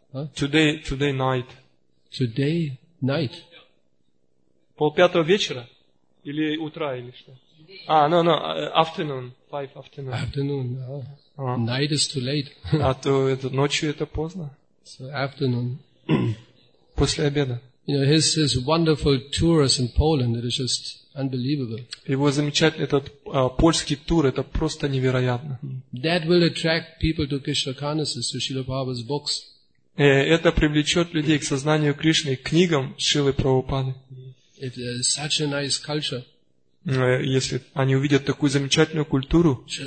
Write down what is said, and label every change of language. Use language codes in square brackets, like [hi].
[en] Huh? Today night. Today night? [ru] Полпятого вечера? Или утра, или что? [en] No, afternoon. Five afternoon. Afternoon, да. Night is too late. [ru] А то это ночью это поздно. [en] So afternoon. [ru] После обеда. [en] You know, his wonderful tours in Poland, it is just unbelievable. [ru] Его замечательный этот польский тур, это просто невероятно. [en] That will attract people to Krishna consciousness, to Srila Prabhupada's books. [ru] Это привлечет людей к сознанию Кришны, к книгам Шрилы Прабхупады. [en] If there is such a nice culture. [ru] Если они увидят такую замечательную культуру,